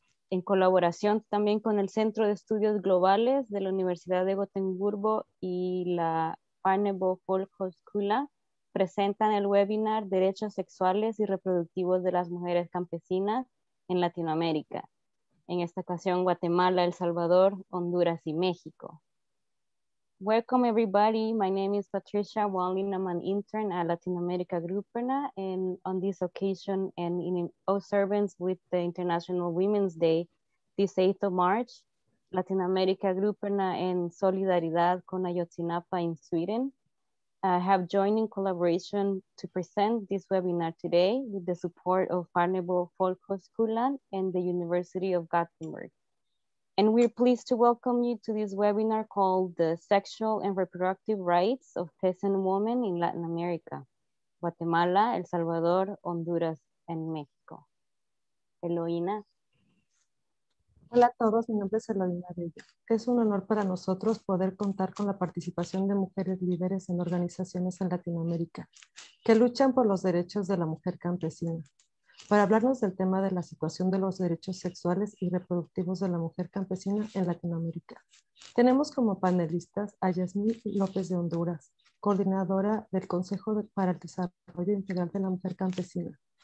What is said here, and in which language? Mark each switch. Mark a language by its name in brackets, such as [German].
[Spanish] En colaboración también con el Centro de Estudios Globales de la Universidad de Gotemburgo y la Barnebo Folkhögskola, presentan el webinar Derechos Sexuales y Reproductivos de las Mujeres Campesinas en Latinoamérica, en esta ocasión Guatemala, El Salvador, Honduras y México. [English] Welcome everybody, my name is Patricia Walling, I'm an intern at Latin America Gruperna, and on this occasion and in observance with the International Women's Day, this 8th of March, Latin America Gruperna en Solidaridad con Ayotzinapa in Sweden, have joined in collaboration to present this webinar today with the support of Barnebo Folkhögskolan and the University of Gothenburg. And we're pleased to welcome you to this webinar called The Sexual and Reproductive Rights of Peasant Women in Latin America, Guatemala, El Salvador, Honduras, and Mexico. [Spanish] Eloína. Hola a todos, mi nombre es Eloína Bello. Es un honor para nosotros poder contar con la participación de mujeres líderes en organizaciones en Latinoamérica que luchan por los derechos de la mujer campesina. Para hablarnos del tema de la situación de los derechos sexuales y reproductivos de la mujer campesina en Latinoamérica, tenemos como panelistas a Yasmín López de Honduras, coordinadora del Consejo para el Desarrollo Integral de la Mujer Campesina.